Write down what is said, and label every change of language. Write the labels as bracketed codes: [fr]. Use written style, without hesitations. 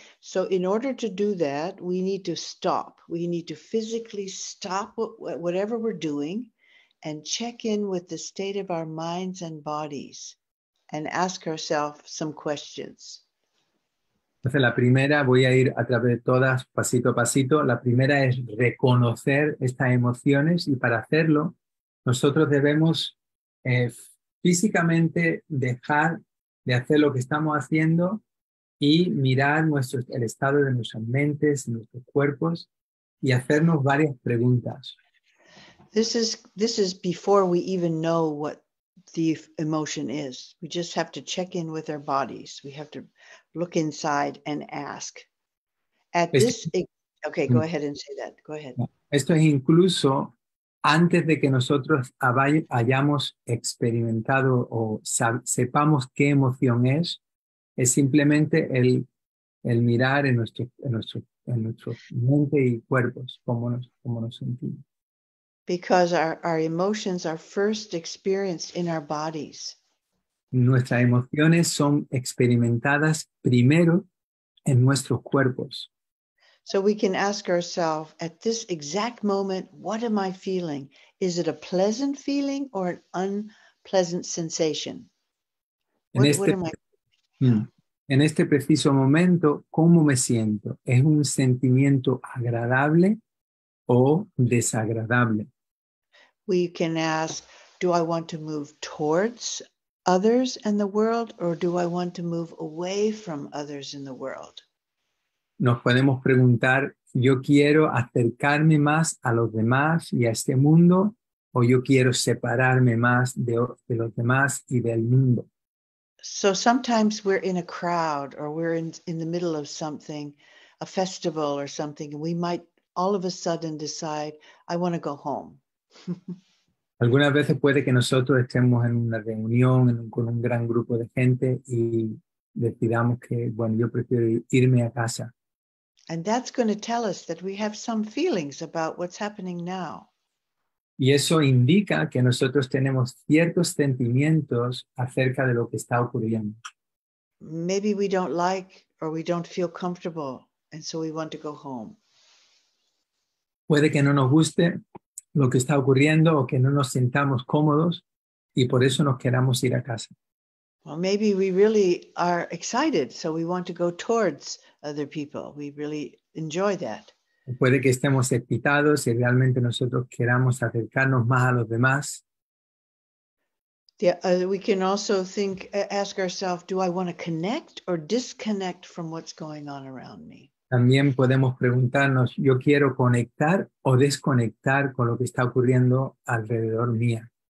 [en] So in order to do that, we need to stop. We need to physically stop whatever we're doing and check in with the state of our minds and bodies and ask ourselves some questions. [es] Entonces la primera, voy a ir a través de todas, pasito a pasito. La primera es reconocer estas emociones y para hacerlo, nosotros debemos físicamente dejar de hacer lo que estamos haciendo y mirar el estado de nuestras mentes, nuestros cuerpos y hacernos varias preguntas. [en] This is before we even know what the emotion is. We just have to check in with our bodies. We have to look inside and ask. Go ahead. [es] Esto es incluso antes de que nosotros hayamos experimentado o sepamos qué emoción es. Es simplemente el mirar en nuestro mente y cuerpos, cómo nos sentimos. [en] Because our emotions are first experienced in our bodies. [es] Nuestras emociones son experimentadas primero en nuestros cuerpos. [en] So we can ask ourselves at this exact moment, what am I feeling? Is it a pleasant feeling or an unpleasant sensation? [es] En este preciso momento, ¿cómo me siento? ¿Es un sentimiento agradable o desagradable? [en] We can ask, do I want to move towards others and the world or do I want to move away from others in the world? [es] Nos podemos preguntar, ¿yo quiero acercarme más a los demás y a este mundo o yo quiero separarme más de los demás y del mundo? [en] So sometimes we're in a crowd or we're in the middle of something, a festival or something, and we might all of a sudden decide, I want to go home. [es] Algunas veces puede que nosotros estemos en una reunión con un gran grupo de gente y decidamos que, bueno, yo prefiero irme a casa. [en] And that's going to tell us that we have some feelings about what's happening now. [es] Y eso indica que nosotros tenemos ciertos sentimientos acerca de lo que está ocurriendo. [en] Maybe we don't like or we don't feel comfortable, and so we want to go home. [es] Puede que no nos guste lo que está ocurriendo o que no nos sintamos cómodos y por eso nos queramos ir a casa. [en] Well, maybe we really are excited, so we want to go towards other people. We really enjoy that. [es] Puede que estemos excitados y realmente nosotros queramos acercarnos más a los demás. [en] We can also ask ourselves, do I want to connect or disconnect from what's going on around me? [es] También podemos preguntarnos, ¿yo quiero conectar o desconectar con lo que está ocurriendo alrededor mía?